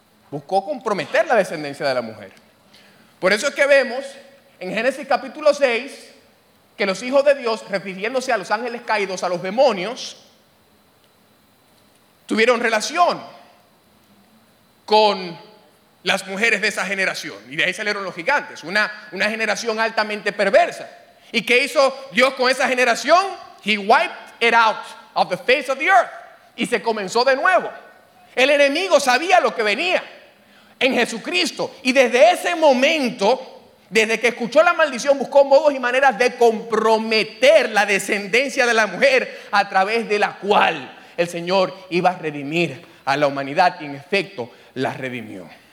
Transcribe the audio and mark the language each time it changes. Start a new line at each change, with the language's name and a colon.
Spanish: Buscó comprometer la descendencia de la mujer. Por eso es que vemos en Génesis capítulo 6, que los hijos de Dios, refiriéndose a los ángeles caídos, a los demonios, tuvieron relación con las mujeres de esa generación. Y de ahí salieron los gigantes, una generación altamente perversa. ¿Y qué hizo Dios con esa generación?
English: He wiped it out of the face of the earth.
Spanish: Y se comenzó de nuevo. El enemigo sabía lo que venía en Jesucristo. Y desde ese momento, desde que escuchó la maldición, buscó modos y maneras de comprometer la descendencia de la mujer a través de la cual el Señor iba a redimir a la humanidad, y en efecto la redimió.